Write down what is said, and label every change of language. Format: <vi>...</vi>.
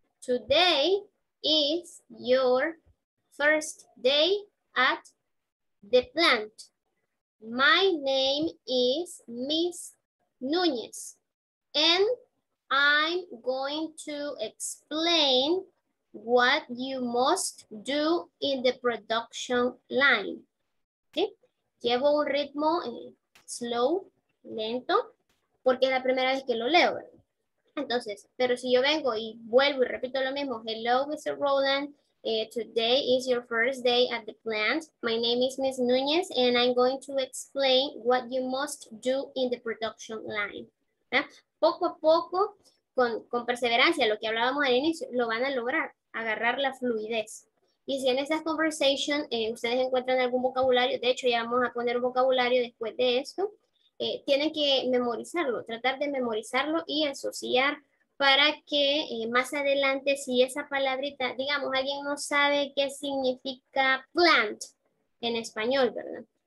<en>Today is your first day at the plant. My name is Miss Núñez and I'm going to explain what you must do in the production line.</en> <es>¿Sí? Llevo un ritmo slow, lento, porque es la primera vez que lo leo. Entonces, pero si yo vengo y vuelvo y repito lo mismo,</es> <en>hello, Mr. Roland. Today is your first day at the plant. My name is Miss Núñez and I'm going to explain what you must do in the production line. ¿Eh?</en> <es>Poco a poco, con perseverancia, lo que hablábamos al inicio, lo van a lograr, agarrar la fluidez. Y si en esas conversations ustedes encuentran algún vocabulario, de hecho ya vamos a poner un vocabulario después de esto, tienen que memorizarlo, tratar de memorizarlo y asociar para que más adelante, si esa palabrita, digamos, alguien no sabe qué significa plant en español, ¿verdad?</es>